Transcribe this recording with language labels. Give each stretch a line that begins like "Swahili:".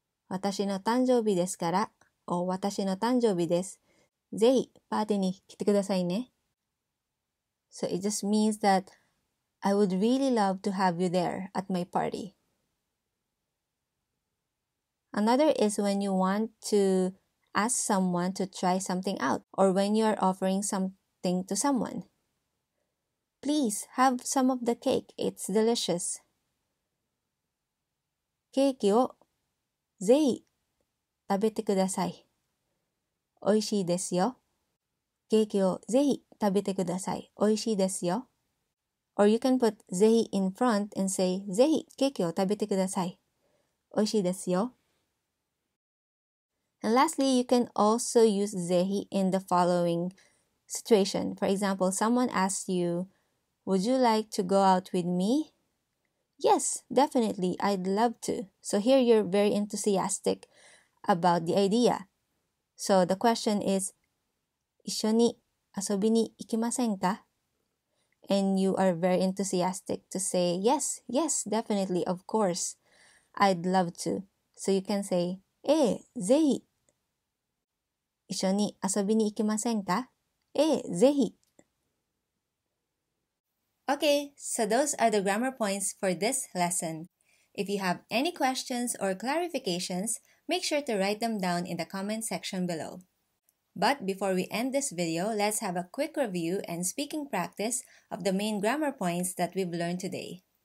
Japanese: 私の誕生日ですから、私の誕生日です。ぜひパーティーに来てくださいね。
English: So it just means that I would really love to have you there at my party. Another is when you want to ask someone to try something out or when you are offering something to someone. Please have some of the cake. It's delicious.
Japanese: ケーキをぜひ食べてください。おいしいですよ。ケーキをぜひ食べてください。おいしいですよ。
English: Or you can put ぜひ in front and say
Japanese: ぜひケーキを食べてください。おいしいですよ。
English: And lastly, you can also use ぜひ in the following situation. For example, someone asks you, would you like to go out with me? Yes, definitely, I'd love to. So here you're very enthusiastic about the idea. So the question is,
Japanese: 一緒に遊びに行きませんか?
English: And you are very enthusiastic to say, yes, yes, definitely, of course, I'd love to. So you can say,
Japanese: ええ、ぜひ。一緒に遊びに行きませんか? ええ、ぜひ。
English: Okay, so those are the grammar points for this lesson. If you have any questions or clarifications, make sure to write them down in the comment section below. But before we end this video, let's have a quick review and speaking practice of the main grammar points that we've learned today.